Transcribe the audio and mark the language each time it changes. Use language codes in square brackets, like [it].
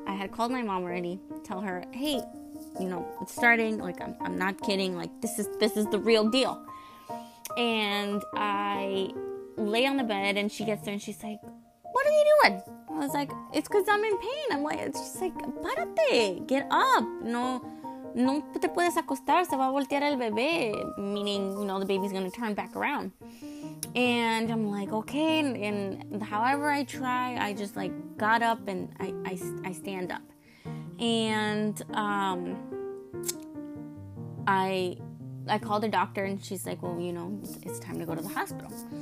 [en] I had called my mom already. Tell her, hey, you know, it's starting. Like, I'm not kidding. Like, this is the real deal. And I lay on the bed and she gets there and she's like, what are you doing? I was like, it's because I'm in pain. I'm like, she's like, [es] párate, [en] get up. [es] No, no te puedes acostar, se va a voltear el bebé. [en] Meaning, you know, the baby's going to turn back around. And I'm like, okay. And however I try, I just like got up and I stand up. And I called the doctor and she's like, well, you know, it's time to go to the hospital.